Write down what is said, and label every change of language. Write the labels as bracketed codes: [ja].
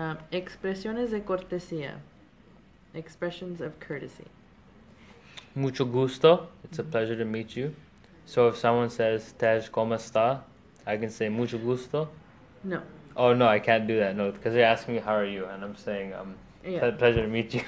[es] Expresiones de cortesía. [en] Expressions of courtesy. [es] Mucho gusto. [en] It's a pleasure to meet you. So if someone says, Tej, [es] ¿cómo está? [en] I can say, [es] mucho gusto. [en] No. Oh, no, I can't do that. No, because they're asking me, how are you? And I'm saying, pleasure to meet you.